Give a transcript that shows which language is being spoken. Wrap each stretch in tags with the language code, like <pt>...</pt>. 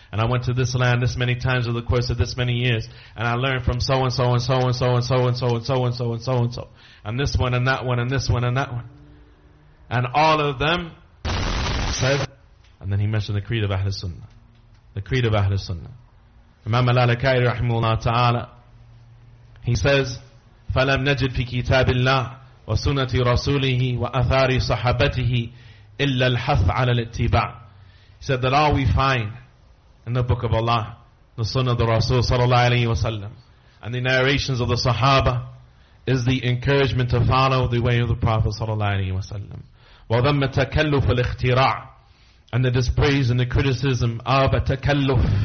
<en>And I went to this land this many times over the course of this many years. And I learned from so and so and so and so and so and so and so and so and so and so. And this one and that one and this one and that one. And all of them And then he mentioned the creed of Ahl Sunnah. The creed of Ahl Sunnah.</en> <ar>Imam Al-Alakai rahimahullah ta'ala,</ar> <en>he says,</en> <ar>فَلَمْ نَجِدْ فِي كِتَابِ اللَّهِ وَسُنَّةِ رَسُولِهِ وَأَثَارِ صَحَبَتِهِ إِلَّا الْحَثْ عَلَى الْإِتِّبَاعِ.</ar> <en>He said that all we find in the book of Allah, the Sunnah of the Rasul sallallahu alayhi wa sallam, and the narrations of the Sahaba, is the encouragement to follow the way of the Prophet sallallahu alayhi wa sallam.</en> <ar>وَذَمَّ تَكَلُّفُ الْإِخْتِرَاعِ.</ar> <en>And the dispraise and the criticism of a takalluf.</en>